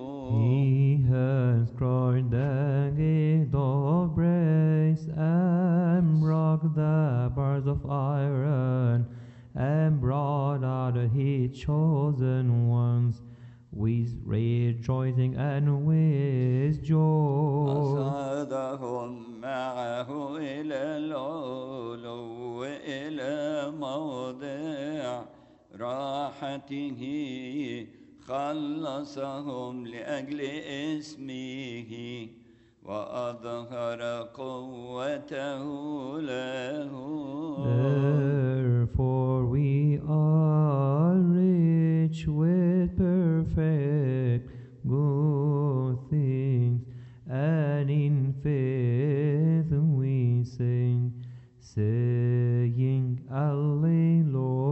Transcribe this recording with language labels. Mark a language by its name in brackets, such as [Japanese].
[English] He has cried the gate of brass and broke the bars of iron and brought out his chosen ones with rejoicing and with joy. [Arabic] أصعدهم معه إلى العلو إلى موضع راحته خلصهم لأجل اسمه وأظهر قوته لهم [English] Therefore we are rich with perfect good things and in faith we sing saying Alleluia